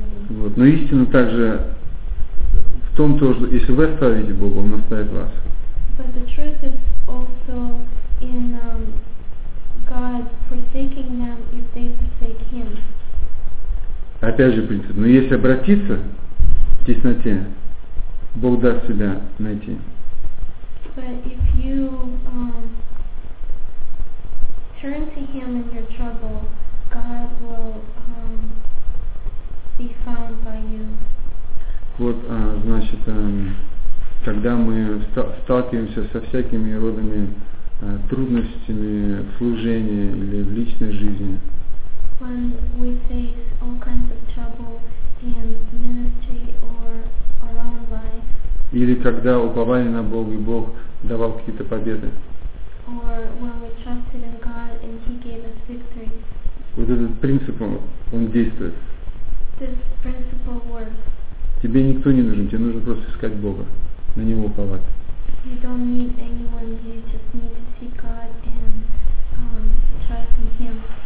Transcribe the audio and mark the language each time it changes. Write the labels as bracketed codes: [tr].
[ru] Вот. Но истина также в том, то, что если вы оставите Бога, Он оставит вас. [en] But the truth is also in God forsaking them if they forsake Him. [ru] Опять же принцип. Но если обратиться в тесноте, Бог даст себя найти. [en] But if you turn to Him in your trouble, God will be found by you. [ru] Вот, значит, когда мы сталкиваемся со всякими родами трудностями в служении или в личной жизни. [en] When we face all kinds of trouble in ministry or our own life. [ru] Или когда уповали на Бога, и Бог давал какие-то победы. [en] Or when we trusted in God and He gave us victory. [ru] Вот этот принцип, он действует. [en] This principle works. [ru] Тебе никто не нужен, тебе нужно просто искать Бога. На него уповать. [en] You don't need anyone, you just need to seek God and trust in Him.